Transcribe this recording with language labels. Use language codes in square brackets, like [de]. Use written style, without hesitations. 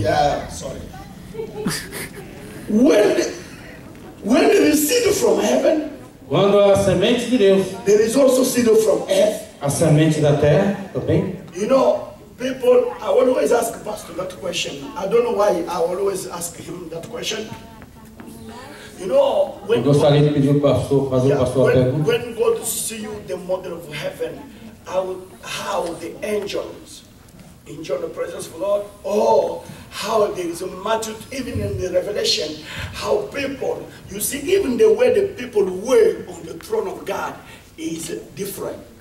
[en] Yeah, sorry. When there is seed from heaven, [pt] quando há semente de Deus, [en] there is also seed from earth. [pt] A semente da terra também. [en] You know, people, I will always ask Pastor that question. I don't know why I always ask him that question. You know, when [pt] eu gostaria de pedir o pastor fazer o pastor a pergunta. [en] When God see you the model of heaven, how the angels enjoy the presence of the Lord. Oh, how there is a multitude, even in the revelation, how people, you see, even the way the people were on the throne of God is different.